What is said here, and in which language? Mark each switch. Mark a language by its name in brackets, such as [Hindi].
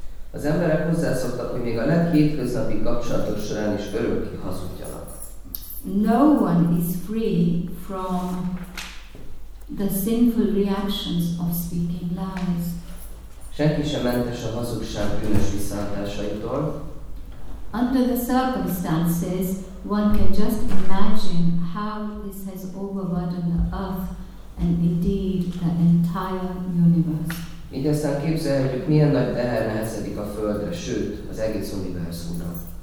[Hungarian] Az emberek hozzászoktak, hogy még a leghétköznapi kapcsolatok során is örökké hazudjanak. [English] No one is free from the sinful reactions of speaking lies. [Hungarian] Senki sem mentes a hazugság bűnös visszahatásaitól. [English] Under the circumstances, one can just imagine how this has overburdened the earth and indeed the entire universe. [Hungarian] Így aztán képzelhetjük, milyen nagy teher nehezedik a Földre, sőt, az egész univerzumra.